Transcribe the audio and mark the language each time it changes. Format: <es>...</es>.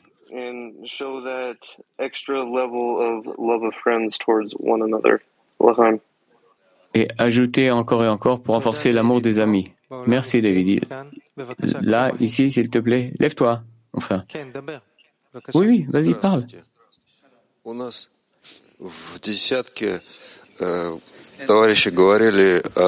<en>And show that extra level of love of friends towards one another.</en> <he>L'chaim.</he> <fr>Et ajouter encore et encore pour renforcer l'amour des amis. Merci, David. Là, ici, s'il te plaît, lève-toi, mon frère. Oui, oui, vas-y, parle.</fr> <ru>У нас в десятке товарищи говорили.</ru>